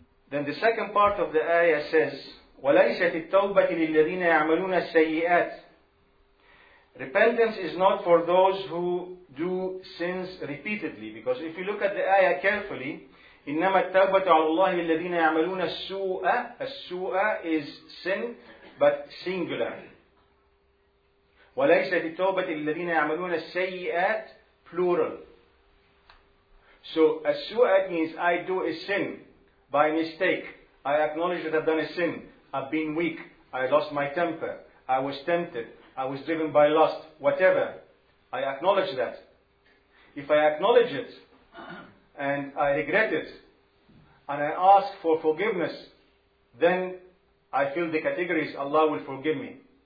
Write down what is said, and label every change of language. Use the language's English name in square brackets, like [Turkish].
[English] Then the second part of the ayah says, [Arabic] وَلَيْسَتِ التَّوْبَةِ لِلَّذِينَ يَعْمَلُونَ السَّيِّئَاتِ. [English] Repentance is not for those who do sins repeatedly. Because if you look at the ayah carefully, [Arabic] إِنَّمَا التَّوْبَةُ عَلَى اللَّهِ الَّذِينَ يَعْمَلُونَ السُّوءَ. [English] السُّوءَ is sin, but singular. [Arabic] وَلَيْسَتِ التَّوْبَةِ لِلَّذِينَ يَعْمَلُونَ السَّيِّئَاتِ, [English] plural. So, السُّوءَ means I do a sin by mistake. I acknowledge that I've done a sin. I've been weak. I lost my temper. I was tempted. I was driven by lust. Whatever. I acknowledge that. If I acknowledge it, and I regret it, and I ask for forgiveness, then I fill the categories, Allah will forgive me.